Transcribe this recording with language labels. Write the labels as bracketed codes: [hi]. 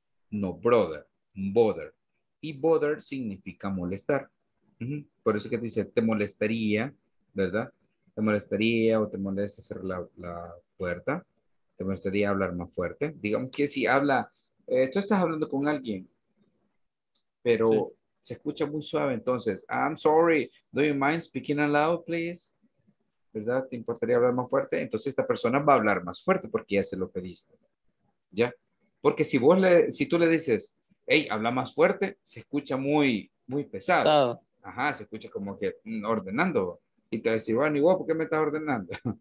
[es] No brother, bother. Y bother significa molestar. Por eso que te dice, te molestaría, ¿verdad? Te molestaría o te molesta cerrar la puerta. Te molestaría hablar más fuerte. Digamos que si habla, tú estás hablando con alguien, pero sí. Se escucha muy suave. [en] Entonces, I'm sorry, do you mind speaking aloud, please? [es] ¿Verdad? ¿Te importaría hablar más fuerte? Entonces esta persona va a hablar más fuerte porque ya se lo pediste. ¿Ya? Porque si vos le, si tú le dices, hey, habla más fuerte, se escucha muy, muy pesado. Pesado. Ajá, se escucha como que ordenando. Y te va a decir, bueno, igual, ¿por qué me estás ordenando?